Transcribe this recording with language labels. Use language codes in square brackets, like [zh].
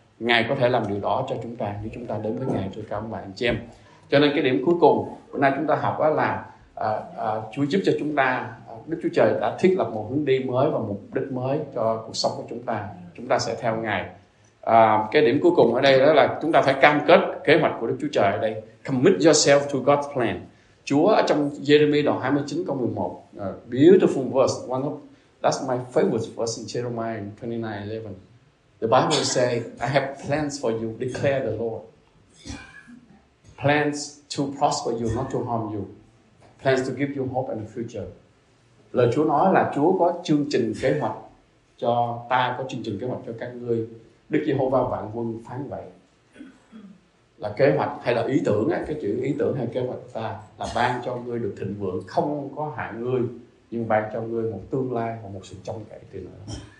[vi] Ngài có thể làm điều đó cho chúng ta nếu chúng ta đến với Ngài, thưa các ông bà anh chị em. Cho nên cái điểm cuối cùng hôm nay chúng ta học đó là Chúa giúp cho chúng ta, Đức Chúa Trời đã thiết lập một hướng đi mới và mục đích mới cho cuộc sống của chúng ta. Chúng ta sẽ theo Ngài. Cái điểm cuối cùng ở đây đó là chúng ta phải cam kết kế hoạch của Đức Chúa Trời ở đây. [en] Commit yourself to God's plan. [vi] Chúa ở trong Jeremiah đoạn 29 câu 11, [en] beautiful verse, one of that's my favorite verse in Jeremiah 29:11. The Bible says, "I have plans for you, declare the Lord. Plans to prosper you, not to harm you. Plans to give you hope and a future." [vi] Lời Chúa nói là Chúa có chương trình kế hoạch cho ta, có chương trình kế hoạch cho các ngươi. Đức Giê-hô-va vạn quân phán vậy. Là kế hoạch hay là ý tưởng á, cái chữ ý tưởng hay kế hoạch ta là ban cho ngươi được thịnh vượng, không có hại ngươi, nhưng ban cho ngươi một tương lai và một sự trông cậy từ nữa.